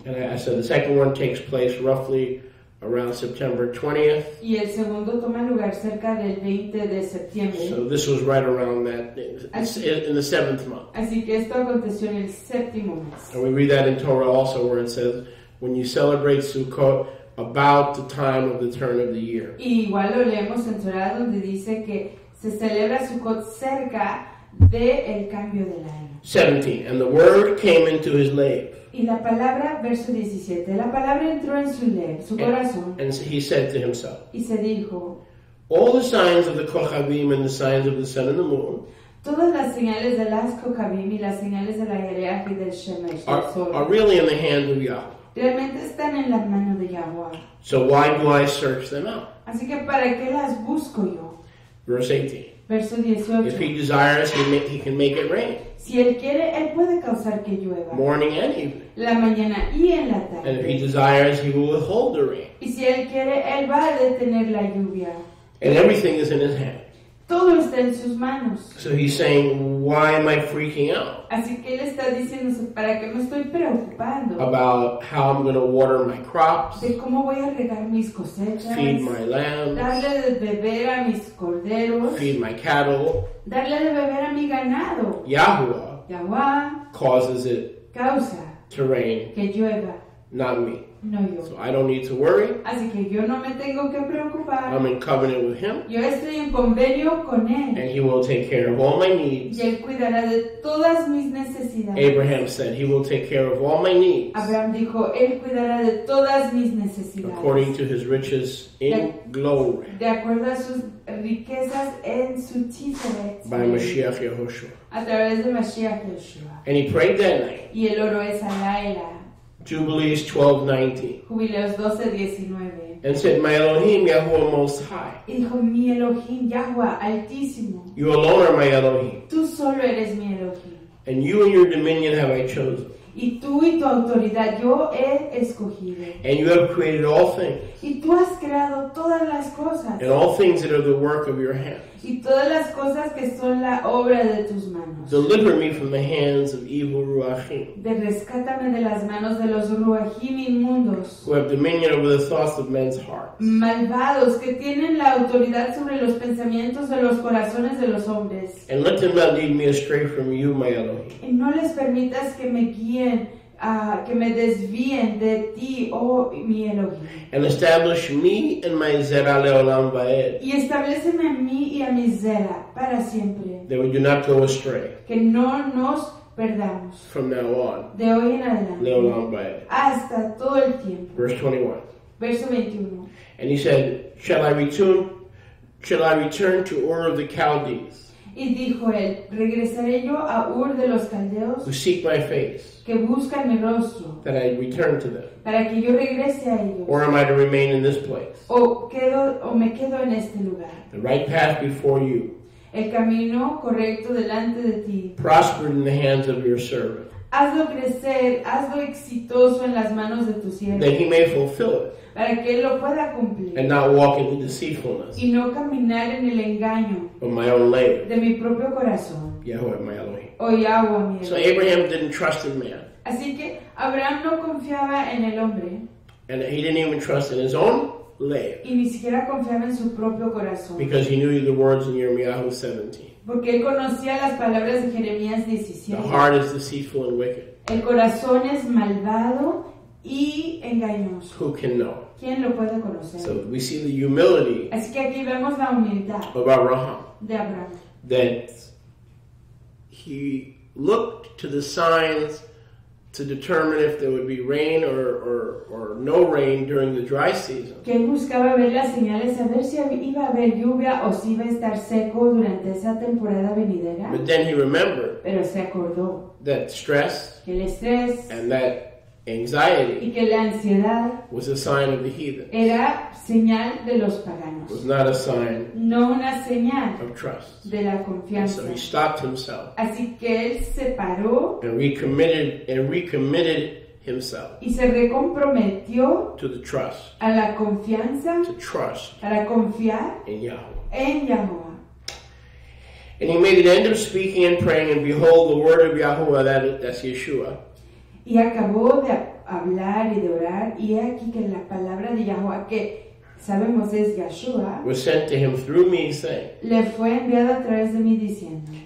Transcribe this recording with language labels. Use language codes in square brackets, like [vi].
[en] And so the second one takes place roughly around September 20th. [es] Y el segundo toma lugar cerca del 20 de septiembre. [en] So this was right around that, in the seventh month. [es] Así que esto aconteció en el séptimo mes. [en] And we read that in Torah also where it says, when you celebrate Sukkot, about the time of the turn of the year. [es] Y igual lo leemos en Torah donde dice que se celebra Sukkot cerca de el cambio del año. [en] 17. And the word came into his lab. [es] Y la palabra, verso 17, la palabra entró en su lev, su corazón. [en] And he said to himself. [es] Y se dijo. [en] All the signs of the kochavim and the signs of the sun and the moon. [es] Todas las señales de las kochavim y las señales de la yereach y del shemesh. [en] Are really in the hand of Yahweh. [es] Realmente están en las manos de Yahweh. [en] So why do I search them out? [es] Así que para qué las busco yo. [en] Verse 18. [es] Verso 18. [en] If he desires, he can make it rain. [es] Si él quiere, él puede causar que llueva. [en] Morning and evening. [es] La mañana y en la tarde. [en] And if he desires, he will withhold the rain. [es] Y si él quiere, él va a detener la lluvia. [en] And everything is in his hand. [es] Todo está en sus manos. [en] So he's saying, why am I freaking out? [es] Así que él está diciendo, ¿para qué me estoy preocupando? [en] About how I'm going to water my crops. [es] De cómo voy a regar mis cosechas. [en] Feed my lambs. [es] Darle de beber a mis corderos. [en] Feed my cattle. [es] Darle de beber a mi ganado. [en] Yahuwah causes it. [es] Causa. [en] To rain. [es] Que llueva. [en] Not me. [es] No, yo. [en] So I don't need to worry. [es] Así que yo no me tengo que preocupar. [en] I'm in covenant with him. [es] Yo estoy en convenio con él. [en] And he will take care of all my needs. [es] Y él cuidará de todas mis necesidades. [en] Abraham said he will take care of all my needs. [es] Abraham dijo, él cuidará de todas mis necesidades. [en] According to his riches in glory. [es] De acuerdo a sus riquezas en su títere. [en] By Mashiach Yehoshua. [es] A través de Mashiach Yehoshua. [en] And he prayed that night. [es] Y él oró esa noche. [en] Jubilees 12:19. [es] Jubileos 12:19. [en] And said, "My Elohim, Yahuwah Most High." [es] Hijo, mi Elohim, Yahuwah Altísimo. [en] You alone are my Elohim. [es] Tú solo eres mi Elohim. [en] And you and your dominion have I chosen. [es] Y tú y tu autoridad yo he escogido. [en] And you have created all things. [es] Y tú has creado todas las cosas. [en] And all things that are the work of your hands. [es] Y todas las cosas que son la obra de tus manos. [en] Deliver me from the hands of evil ruachim. [es] De rescátame de las manos de los ruachim inmundos. [en] Who have dominion over the thoughts of men's hearts. [es] Malvados que tienen la autoridad sobre los pensamientos de los corazones de los hombres. [en] And let them not lead me astray from you, my Elohim. [es] Y no les permitas que me guíen. Que me desvíen de ti, oh mi Elohim. [en] And establish me and my [he] zera leolam vaed. [es] Y establéceme a mí y a mi zera para siempre. [en] That we do not go astray. [es] Que no nos perdamos. [en] From now on. [es] De hoy en adelante. [he] Leolam vaed. [es] Hasta todo el tiempo. [en] Verse 21. [es] Verso 21. [en] And he said, Shall I return to Ur of the Chaldees? [es] Y dijo él, ¿regresaré yo a Ur de los Caldeos? [en] Who seek my face. [es] Que buscan mi rostro. [en] That I return to them. [es] Para que yo regrese a ellos. [en] Or am I to remain in this place? [es] O me quedo en este lugar. [en] The right path before you. [es] El camino correcto delante de ti. [en] Prospered in the hands of your servant. [es] Hazlo crecer, hazlo exitoso en las manos de tu siervo. [en] That he may fulfill it. [es] Para que él lo pueda cumplir. [en] And not walk in the deceitfulness. [es] Y no caminar en el engaño. [en] Of my own labor. [es] De mi propio corazón. [en] Yahweh, my Elohim. [es] O Yahweh, mi Elohim. [en] So Abraham didn't trust in man. [es] Así que Abraham no confiaba en el hombre. [en] And he didn't even trust in his own labor. [es] Y ni siquiera confiaba en su propio corazón. [en] Because he knew the words in Yirmiyahu 17. [es] Porque él conocía las palabras de Jeremías 17. [en] The heart is deceitful and wicked. [es] El corazón es malvado y engañoso. [en] Who can know? [es] ¿Quién lo puede conocer? [en] So we see the humility. [es] Así que aquí vemos la humildad. [en] Of Abraham. [es] De Abraham. [en] That he looked to the signs to determine if there would be rain or no rain during the dry season. [es] Que buscaba ver las señales a ver si iba a haber lluvia o si iba a estar seco durante esa temporada venidera. [en] But then he remembered. [es] Pero se acordó. [en] That stress. [es] Que el estrés. [en] And that anxiety. [es] Y que la ansiedad. [en] Was a sign of the heathen. [es] Era señal de los paganos. [en] Was not a sign. [es] No una señal. [en] Of trust. [es] De la confianza. [en] And so he stopped himself. [es] Así que él se paró. [en] And recommitted himself. [es] Y se recomprometió. [en] To the trust. [es] A la confianza. [en] To trust. [es] Para confiar. [en] In Yahweh. [es] En Yahweh. [en] And he made an end of speaking and praying, and behold, the word of Yahuwah, that's Yeshua. [es] Y acabó de hablar y de orar, y he aquí que la palabra de Yahuwah, que sabemos es Yeshua, [en] was sent to him through me, saying, [es] le fue enviada a través de mí diciendo,